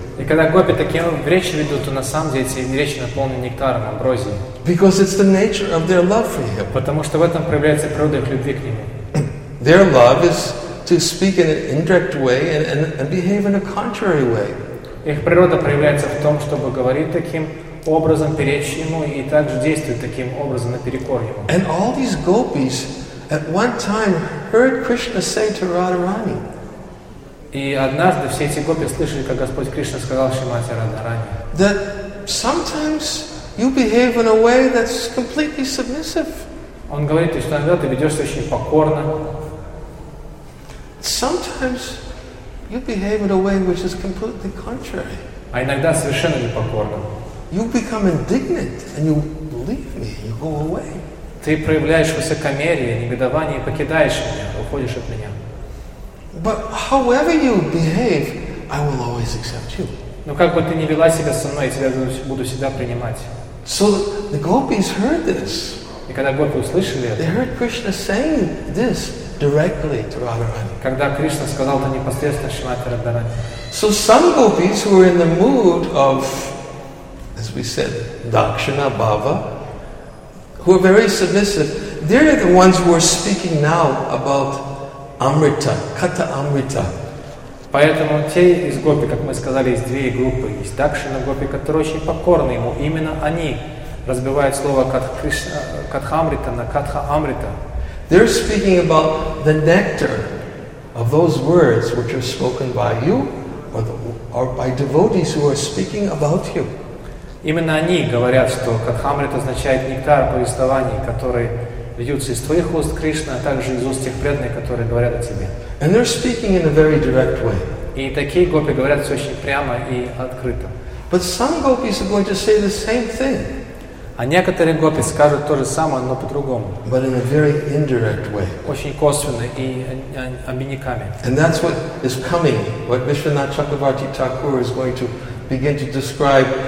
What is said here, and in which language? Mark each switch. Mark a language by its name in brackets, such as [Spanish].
[Russian] И когда гопи такие речи ведут, то на самом деле эти речи наполнены нектаром, амброзией. [English] Because it's the nature of their love for him. [Russian] Потому что в этом проявляется природа их любви к нему. [English] Their love is to speak in an indirect way and behave in a contrary way. [Russian] Их природа проявляется в том, чтобы говорить таким образом, перечь ему и также действовать таким образом наперекор ему. [English] And all these gopis at one time heard Krishna say to Radharani. [Russian] И однажды все эти гопи слышали, как Господь Кришна сказал Шримати Радхарани. [English] That sometimes you behave in a way that's completely submissive. [Russian] Он говорит, что иногда ты ведешься очень покорно. [English] Sometimes you behave in a way which is completely contrary. [Russian] А иногда совершенно непокорно. [English] You become indignant and you leave me, you go away. [Russian] Ты проявляешь высокомерие, негодование и покидаешь меня, уходишь от меня. [English] But however you behave, I will always accept you. [Russian] Но как бы ты ни вела себя со мной, я тебя буду всегда принимать. [English] So the gopis heard this. [Russian] И когда гопи услышали это, [English] they heard Krishna saying this directly to Radharani. [Russian] Когда Кришна сказал это непосредственно Шримати Радхарани. [English] So some gopis who were in the mood of, as we said, Dakshina Bhava, who are very submissive, they're the ones who are speaking now about Amrita, Kata Amrita. [Russian] Поэтому те из гопи, как мы сказали, есть две группы. Есть Дакшина гопи, которые очень покорны ему. Именно они разбивают слово Катха Амрита на Катха Амрита. [English] They're speaking about the nectar of those words which are spoken by you or by devotees who are speaking about you. [Russian] Именно они говорят, что Катхамрит означает нектар повествований, которые льются из твоих уст, Кришна, а также из уст тех преданных, которые говорят о тебе. [English] And they're speaking in a very direct way. [Russian] И такие гопи говорят все очень прямо и открыто. [English] But some gopis are going to say the same thing. [Russian] А некоторые гопи скажут то же самое, но по-другому. [English] But in a very indirect way. [Russian] Очень косвенно и обиняками. [English] And that's what is coming, what Vishwanath Chakravarti Thakur is going to begin to describe.